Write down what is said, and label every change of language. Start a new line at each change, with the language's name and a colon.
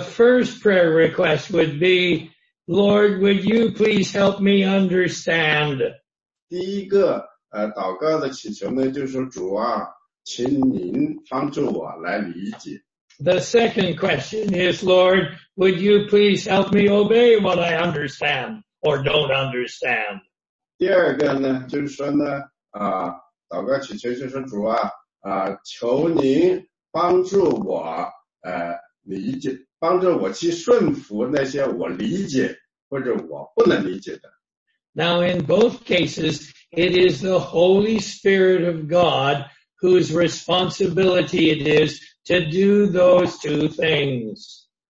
English: first prayer request would be, Lord, would you please help me understand?
Chinese: 第一个祷告的祈求呢，就是主啊，请您帮助我来理解。
English: The second question is, Lord, would you please help me obey what I understand or don't understand?
Chinese: 第二个呢，就是说呢，祷告祈求就是主啊，求您帮助我理解，帮助我去顺服那些我理解或者我不能理解的。
English: Now, in both cases, it is the Holy Spirit of God whose responsibility it is to do those two things.